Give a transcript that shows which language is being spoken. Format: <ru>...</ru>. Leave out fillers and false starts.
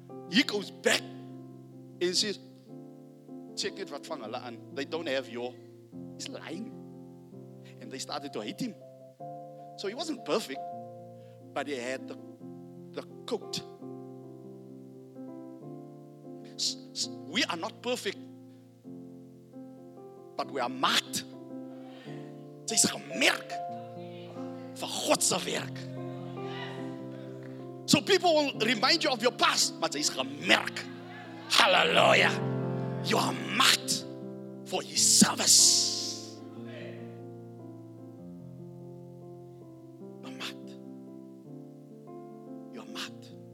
<en>He goes back and says, check it,</en> <af>wat vang hulle aan.</af> <en>They don't have your... He's lying. And they started to hate him. So he wasn't perfect, but he had the coat. We are not perfect, but we are marked.</en> <af>Sy is gemerk vir God se werk.</af> <en>So people will remind you of your past, but</en> <af>sy is gemerk.</af> <en>Hallelujah. You are marked for his service. You're marked. You're marked.</en>